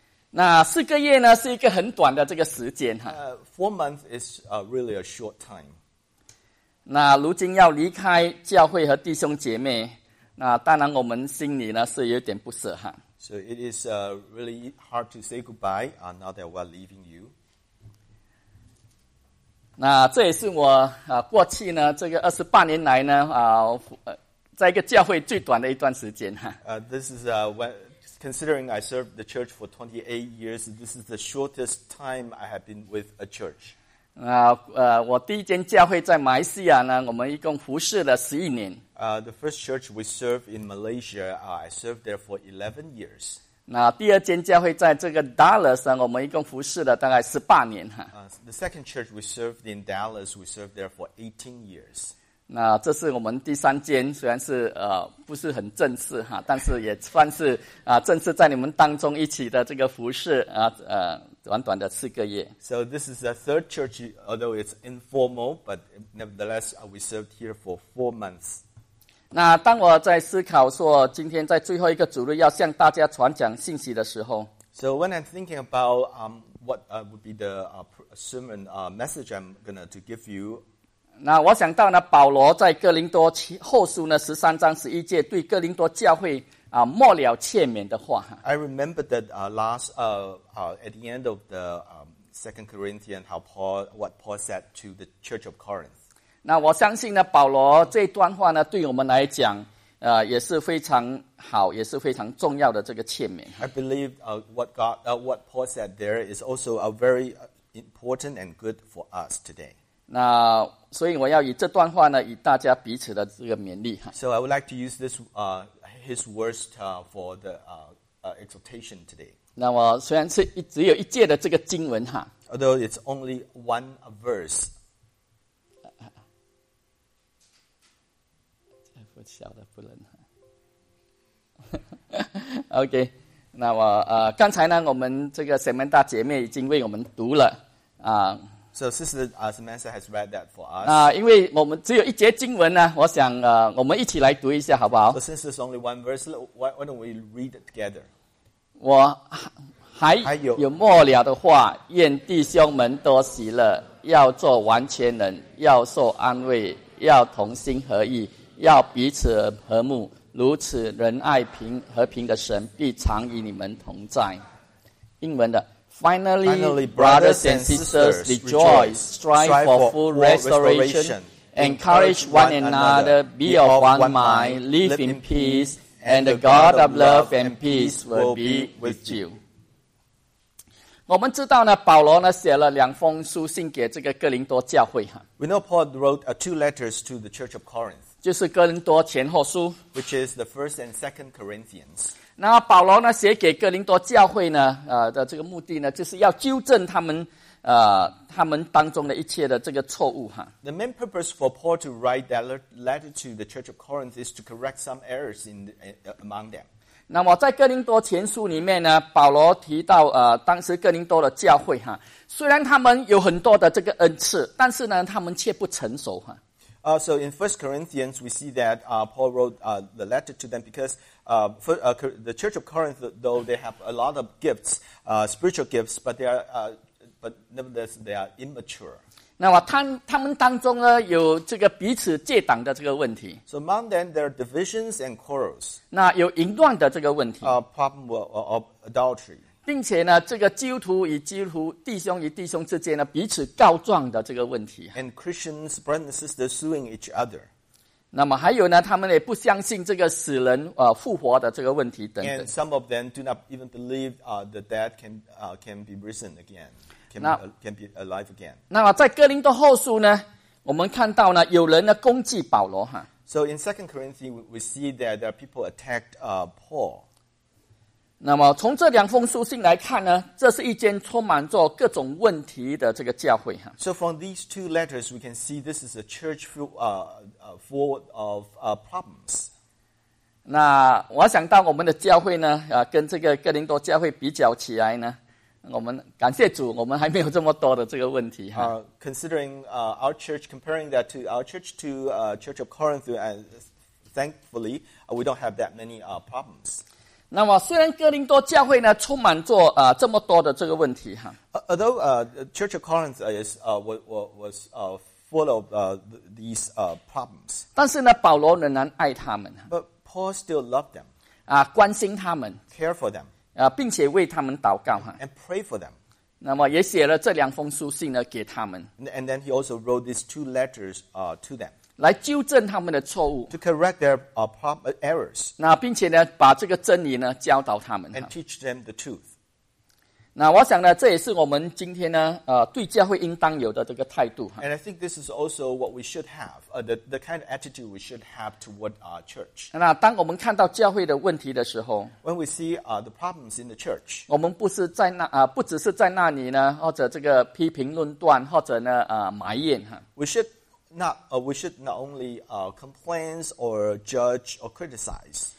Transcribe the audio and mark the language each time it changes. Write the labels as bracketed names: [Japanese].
[Chinese] 那四个月呢，是一个很短的这个时间哈。 [English] 4 months is really a short time. [Chinese] 那如今要离开教会和弟兄姐妹，那当然我们心里呢是有点不舍哈。 [English] So it is really hard to say goodbye now that we're leaving you. [Chinese] 那这也是我过去呢这个28年来呢在一个教会最短的一段时间哈。 [English] This is considering I served the church for 28 years. This is the shortest time I have been with a church. [Chinese] 我第一间教会在马来西亚呢，我们一共服侍了11年。 [English] The first church we served in Malaysia, I served there for 11 years. [Chinese] 那第二间教会在这个 Dallas 呢，我们一共服侍了大概18年哈。 [English] The second church we served in Dallas, we served there for 18 years. [Chinese] 那这是我们第三间，虽然是不是很正式哈，但是也算是正式在你们当中一起的这个服侍短短的四个月。 [English] So this is the third church, although it's informal, but nevertheless, we served here for 4 months. [Chinese] 那当我在思考说今天在最后一个主日要向大家传讲信息的时候 [English] ，So when I'm thinking about what would be the sermon message I'm gonna to give you, [Chinese] 那我想到呢，保罗在哥林多后书呢13章11节对哥林多教会。末了切勉的话。 [English] I remember that at the end of the Second Corinthians, what Paul said to the Church of Corinth. [Chinese] 那我相信呢，保罗这段话呢，对我们来讲，也是非常好，也是非常重要的这个切勉。 [English] I believe what Paul said there is also a very important and good for us today. [Chinese] 那所以我要以这段话呢，与大家彼此的这个勉励。 [English] So I would like to use this his words for the exhortation today. [Chinese] 那我虽然是只有一节的这个经文哈。 [English] Although it's only one verse. [Chinese] 不晓得不能。 OK， 那我刚才呢，我们这个Samantha姐妹已经为我们读了 [English] So Sister Samantha has read that for us. [Chinese] 因为我们只有一节经文呢，我想我们一起来读一下，好不好 [English] ？So since there's only one verse, why don't we read it together? [Chinese] 我还有末了的话，愿弟兄们多喜乐，要做完全人，要受安慰，要同心合意，要彼此和睦。如此仁爱平和平的神必常与你们同在。英文的。 [English] Finally, brothers and sisters, rejoice, strive for full restoration, encourage one another, be of one mind, live in peace, and the God of love and peace will be with you. [Chinese] 我们知道呢，保罗呢写了两封书信给这个哥林多教会哈。 [English] We know Paul wrote two letters to the Church of Corinth. [Chinese] 就是哥林多前后书 [English] ，which is the First and Second Corinthians. [Chinese] 那保罗呢写给哥林多教会呢的这个目的呢就是要纠正他们他们当中的一切的这个错误哈。 [English] The main purpose for Paul to write that letter to the Church of Corinth is to correct some errors in the, among them. [Chinese] 那么在哥林多前书里面呢，保罗提到当时哥林多的教会哈，虽然他们有很多的这个恩赐，但是呢，他们却不成熟哈。 [English] So in 1 Corinthians, we see that Paul wrote the letter to them because the Church of Corinth, though they have a lot of gifts, spiritual gifts, but they are, but nevertheless they are immature. [Chinese] 那么他们当中呢有这个彼此借党的这个问题。 [English] So among them there are divisions and quarrels. [Chinese] 那有淫乱的这个问题。 [English] Problem of adultery. [Chinese] 并且呢，这个基督徒与基督徒弟兄与弟兄之间呢彼此告状的这个问题。 [English] And Christians, brothers and sisters, suing each other. [Chinese] 那么还有呢，他们也不相信这个死人复活的这个问题等等。 [English] And some of them do not even believe the dead can be risen again. Can be alive again. [Chinese] 那么在哥林多后书呢，我们看到呢，有人呢攻击保罗哈。 [English] So in 2 Corinthians, we see that there are people attacked Paul. [Chinese] 那么从这两封书信来看呢，这是一间充满着各种问题的这个教会哈。 [English] So from these two letters, we can see this is a church full of problems. [Chinese] 那我想到我们的教会呢，跟这个哥林多教会比较起来呢。我们感谢主，我们还没有这么多的这个问题哈。 [English] Considering our church, comparing that to our church to Church of Corinth, and thankfully we don't have that many problems. [Chinese] 那么虽然哥林多教会呢充满着这么多的这个问题哈。 [English] Although Church of Corinth is was full of these problems. [Chinese] 但是呢，保罗仍然爱他们。 [English] But Paul still loved them. [Chinese] 关心他们。 [English] Care for them. [Chinese] 并且为他们祷告 [English] and pray for them. [Chinese] 那么也写了这两封书信呢给他们 [English] and then he also wrote these two letters to them [Chinese] 来纠正他们的错误 [English] to correct their errors. [Chinese] 那并且呢把这个真理呢教导他们 [English] and teach them the truth. [Chinese] 那我想呢这也是我们今天呢对教会应当有的这个态度 [English] and I think this is also what we should have the kind of attitude we should have toward our church. [Chinese] 那当我们看到教会的问题的时候 [English] when we see the problems in the church, [Chinese] 我们不是在那不只是在那里呢或者这个批评论断或者呢埋怨 [English] we should not only complain or judge or criticize.